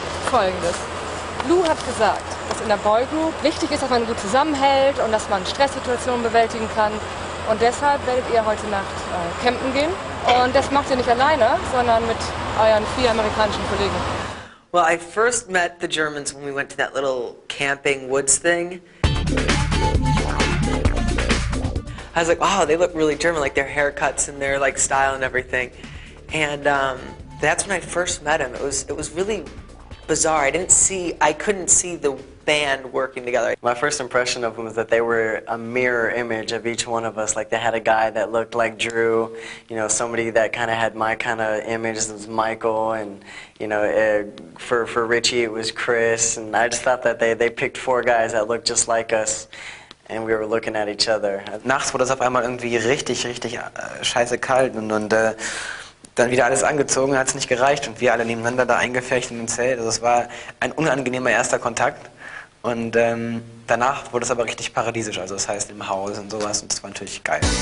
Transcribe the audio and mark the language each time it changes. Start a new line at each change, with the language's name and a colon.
German: Folgendes. Lou hat gesagt, dass in der Boygroup wichtig ist, dass man gut zusammenhält und dass man Stresssituationen bewältigen kann. Und deshalb werdet ihr heute Nacht campen gehen. Und das macht ihr nicht alleine, sondern mit euren 4 amerikanischen Kollegen.
English: Well, I first met the Germans when we went to that little camping woods thing. I was like, wow, they look really German, like their haircuts and their like style and everything. And that's when I first met them. It was really bizarre. I couldn't see the band working together. My first impression of them was that they were a mirror image of each one of us. Like they had a guy that looked like Drew, you know, somebody that kind of had my kind of image was Michael, and you know, for Richie it was Chris. And I just thought that they picked 4 guys that looked just like us. And we were looking at each other.
German: Nachts wurde es auf einmal irgendwie richtig, richtig scheiße kalt und dann wieder alles angezogen, hat es nicht gereicht und wir alle nebeneinander da eingefercht in dem Zelt. Also es war ein unangenehmer erster Kontakt und danach wurde es aber richtig paradiesisch, also das heißt im Haus und sowas und das war natürlich geil.